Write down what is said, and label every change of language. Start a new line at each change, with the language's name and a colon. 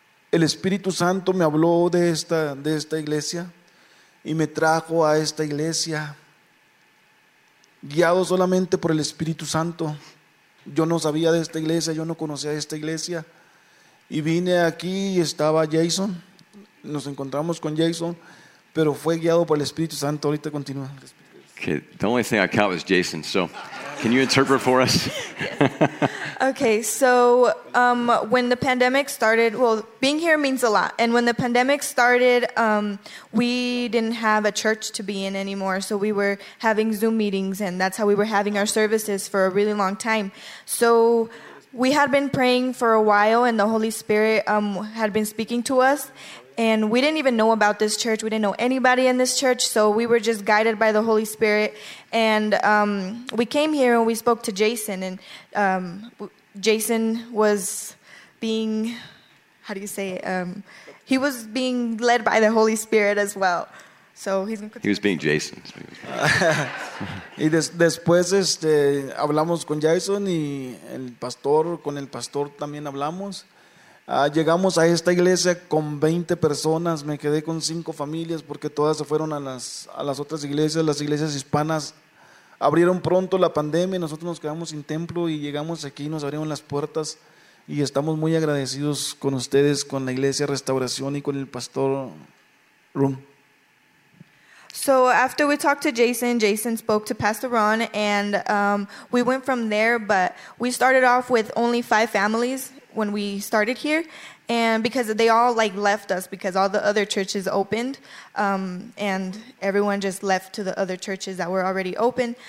Spanish: El Espíritu Santo me habló de esta iglesia y me trajo a esta iglesia, guiado solamente por el Espíritu Santo. Yo no sabía de esta iglesia, yo no conocía esta iglesia. Y vine aquí y estaba Jason, nos encontramos con Jason, pero fue guiado por el Espíritu Santo. Ahorita continúa.
English: Okay, the only thing I caught was Jason, so can you interpret for us? Okay, so when the pandemic started, well, being here means a lot. And when the pandemic started, we didn't have a church to be in anymore. So we were having Zoom meetings, and that's how we were having our services for a really long time. So we had been praying for a while, and the Holy Spirit had been speaking to us. And we didn't even know about this church. We didn't know anybody in this church. So we were just guided by the Holy Spirit. And we came here, and we spoke to Jason. And Jason was being, how do you say it? He was being led by the Holy Spirit as well. So he's going to... He was being Jason.
Spanish: Y después hablamos con Jason y con el pastor también hablamos. Llegamos a esta iglesia con 20 personas, me quedé con 5 familias porque todas se fueron a las otras iglesias. Las iglesias hispanas abrieron pronto la pandemia y nosotros nos quedamos sin templo y llegamos aquí, nos abrieron las puertas Y estamos muy agradecidos con ustedes, con la Iglesia Restauración y con el Pastor Ron.
English: So after we talked to Jason, Jason spoke to Pastor Ron, and we went from there, but we started off with only 5 families when we started here, and because they all like left us because all the other churches opened, and everyone just left to the other churches that were already open.